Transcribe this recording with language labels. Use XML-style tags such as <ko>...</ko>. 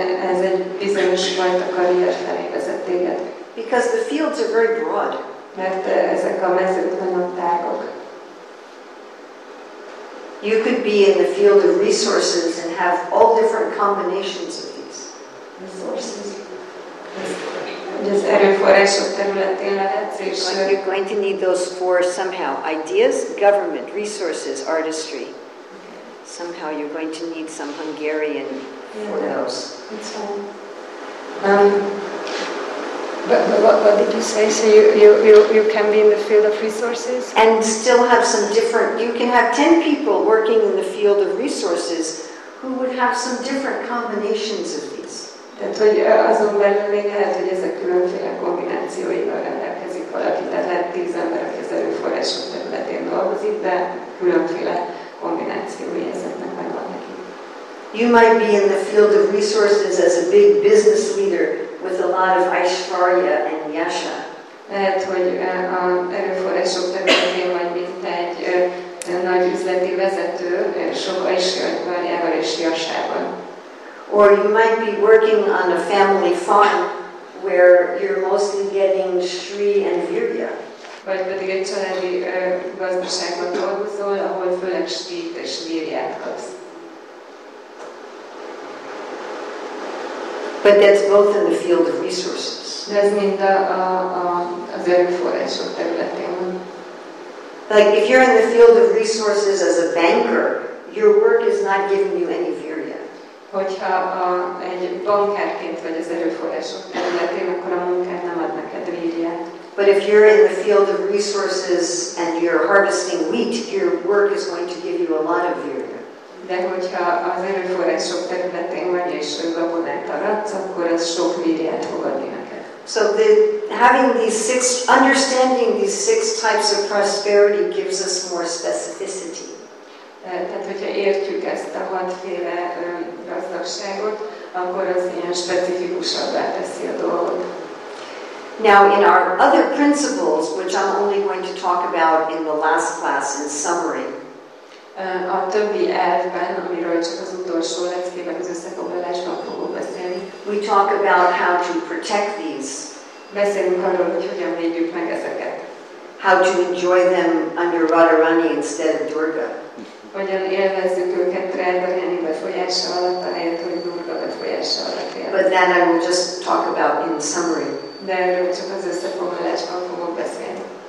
<hu>Ez egy bizonyos fajta karrier felé vezet téged.</hu> <en>Because the fields are very broad.</en> <hu>Mert ezek a mezők nagyon tágok.</hu> <en>You could be in the field of resources and have all different combinations of these. Resources.</en> <hu>Az erőforrások területén lehetsz,</hu> <en>és you're going to need those four somehow. Ideas, government, resources, artistry. Okay. Somehow you're going to need some Hungarian for those. What did you say? So you can be in the field of resources? And still have some different, you can have 10 people working in the field of resources who would have some different combinations of these.</en> <hu>Tehát, hogy azon belül még lehet, hogy ezek különféle kombinációival rendelkezik valaki. Tehát lehet 10 ember, aki az erőforrások területén dolgozik, de különféle kombinációi ezeknek megvan neki.</hu> <en>You might be in the field of resources as a big business leader with a lot of Aishwarya and Yasha.</en> <hu>Lehet, hogy az erőforrások területén vagy, mint egy nagy üzleti vezető, sok Aishwaryával és Yashával.</hu> <en>Or you might be working on a family farm where you're mostly getting Shri and Virya.</en> <hu>Vagy pedig egy családi gazdaságban dolgozol, ahol főleg Shri és Virját kapsz.</hu> <en>But that's both in the field of resources.</en> <hu>De ez mind az erőforrások területén.</hu> <en>Like if you're in the field of resources as a banker, your work is not giving you any.</en> <hu>Hogyha egy bankárként vagy az erőforrások területén, akkor a munkád nem ad neked virját.</hu> <en>But if you're in the field of resources and you're harvesting wheat, your work is going to give you a lot of virya.</en> <hu>De hogyha az erőforrások területén vagy és gabonát taradsz, akkor az sok virját fog adni neked.</hu> <en>So the having these six, understanding these six types of prosperity gives us more specificity.</en> <hu>Tehát hogyha értjük ezt a hatféle gazdagságot, akkor az ilyen specifikusabbá teszi a dolgot.</hu> <en>Now in our other principles, which I'm only going to talk about in the last class in summary.</en> <hu>A többi elvben, amiről csak az utolsó leckében az összefoglalásban fogok beszélni.</hu> <en>We talk about how to protect these.</en> <hu>Beszélünk arról, hogy hogyan védjük meg ezeket.</hu> <en>How to enjoy them under Radharani instead of Durga.</en> <hu>Hogyan élvezzük őket Radharani befolyása alatt, ahelyett, hogy Durga befolyása alatt él.</hu> <en>But that I will just talk about in summary.</en> <hu>De erről csak az összefoglalásban fogok beszélni.</hu>